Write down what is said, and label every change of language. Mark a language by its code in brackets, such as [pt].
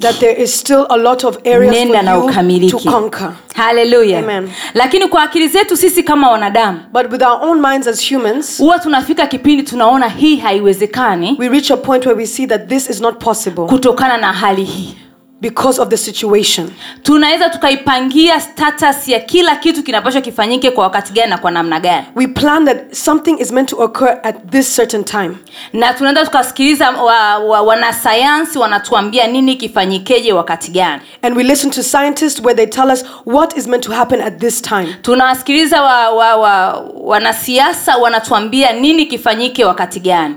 [en] that there is still a lot of areas for you to conquer. Hallelujah. Amen. [sw] Lakini kwa akili zetu sisi kama wanadamu [en] but with our own minds as humans [sw] huwa tunafika kipindi tunaona hii haiwezekani [en] we reach a point where we see that this is not possible [sw] kutokana na hali hii [en] because of the situation. [sw] Tunaweza tukaipangia status ya kila kitu kinapaswa kifanyike kwa wakati gani na kwa namna gani. [en] We plan that something is meant to occur at this certain time. [sw] Na tunaweza tukasikiliza wanasayansi wanatuambia nini kifanyikeje wakati gani. [en] And we listen to scientists where they tell us what is meant to happen at this time. [sw] Tunasikiliza wanasiasa wanatuambia nini kifanyike wakati gani.